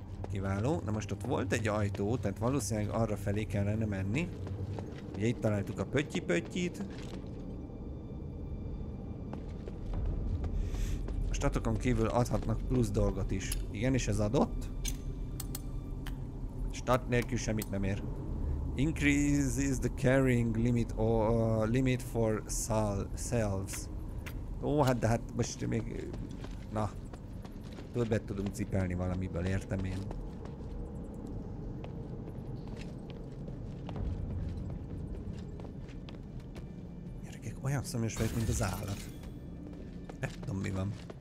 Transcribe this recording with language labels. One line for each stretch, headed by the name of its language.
Hungarian: Kiváló. Na most ott volt egy ajtó, tehát valószínűleg arra felé kellene menni. Ugye itt találtuk a pöttyi-pöttyit. A statokon kívül adhatnak plusz dolgot is. Igen, és ez adott. Stat nélkül semmit nem ér.
English: Increases the carrying limit or limit for selves.
Hungarian: Ó, hát de hát most még... Na. Többet tudunk cipelni valamiből, értem én. Gyerekek, olyan szomjas vagyok, mint az állat. Nem tudom, mi van.